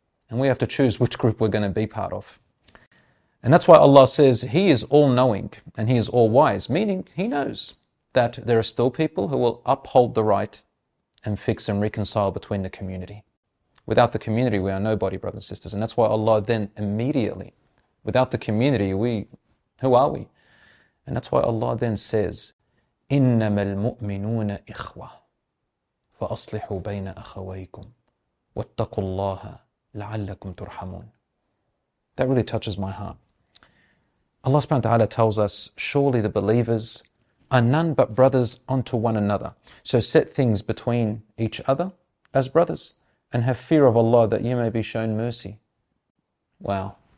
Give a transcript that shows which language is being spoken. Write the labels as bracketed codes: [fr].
[en] And we have to choose which group we're going to be part of. And that's why Allah says he is all-knowing and he is all-wise, meaning he knows that there are still people who will uphold the right and fix and reconcile between the community. Without the community, we are nobody, brothers and sisters. And that's why Allah then immediately, without the community, who are we? And that's why Allah then says, [ar] إِنَّمَا الْمُؤْمِنُونَ إِخْوَةً فَأَصْلِحُوا بَيْنَ أَخَوَيْكُمْ وَاتَّقُوا اللَّهَ لَعَلَّكُمْ تُرْحَمُونَ. [en] That really touches my heart. Allah subhanahu wa ta'ala tells us, surely the believers are none but brothers unto one another. So set things between each other as brothers and have fear of Allah that you may be shown mercy. Wow.